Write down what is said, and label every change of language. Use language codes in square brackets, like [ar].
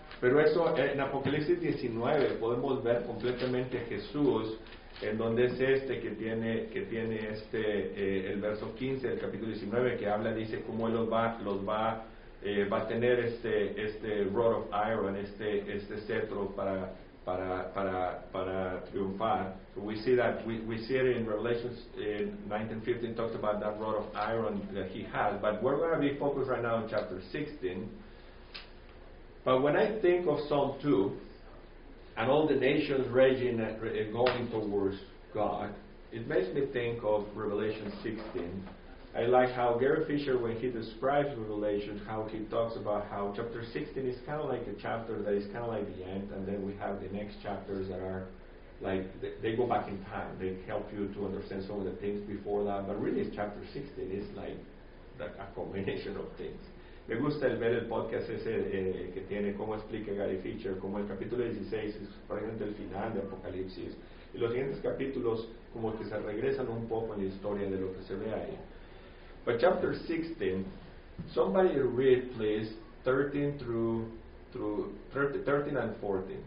[es] Pero eso, en Apocalipsis 19 podemos ver completamente Jesús, en donde es este que tiene este el verso 15 del capítulo 19, que habla, dice cómo él va a tener este [en] rod of iron, [es] este cetro para triunfar. [en] So we see that we see it in Revelations 19:15, talks about that rod of iron that he has. But we're going to be focused right now on chapter 16. But when I think of Psalm 2 and all the nations raging and going towards God, it makes me think of Revelation 16. I like how Gary Fisher, when he describes Revelation, how he talks about how chapter 16 is kind of like a chapter that is kind of like the end, and then we have the next chapters that are like, they go back in time. They help you to understand some of the things before that, but really chapter 16 is like a combination of things. [es] Me gusta el ver el podcast ese que tiene cómo explica Gary Fischer, como el capítulo 16 es prácticamente el final de Apocalipsis. Y los siguientes capítulos como que se regresan un poco en la historia de lo que se ve ahí. [en] But chapter 16, somebody read please 13 and 14.